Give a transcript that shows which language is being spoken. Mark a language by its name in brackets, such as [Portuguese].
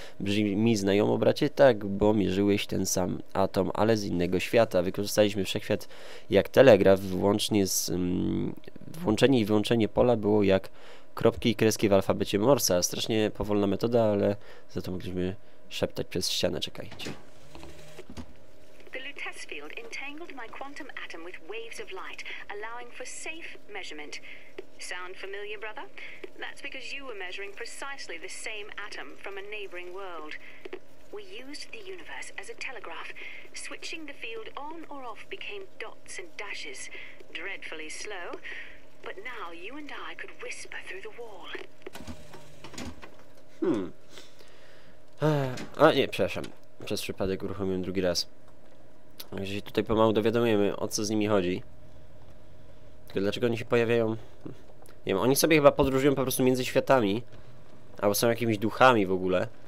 [Polish] Brzmi znajomo, bracie? Tak, bo mierzyłeś ten sam atom, ale z innego świata. Wykorzystaliśmy wszechświat jak telegraf, włącznie z... włączenie i wyłączenie pola było jak kropki i kreski w alfabecie Morsa. Strasznie powolna metoda, ale za to mogliśmy szeptać przez ścianę. Czekajcie. [English] Field entangled my quantum atom with waves of light, allowing for safe measurement. Sound familiar, brother? That's because you were measuring precisely the same atom from a neighboring world. We used the universe as a telegraph. Switching the field on or off became dots and dashes. Dreadfully slow. But now you and I could whisper through the wall. [Polish] A nie, przepraszam. Przez przypadek uruchomiłem drugi raz. Jeżeli się tutaj pomału dowiadujemy, o co z nimi chodzi. Tylko dlaczego oni się pojawiają Nie wiem, oni sobie chyba podróżują po prostu między światami. Albo są jakimiś duchami w ogóle.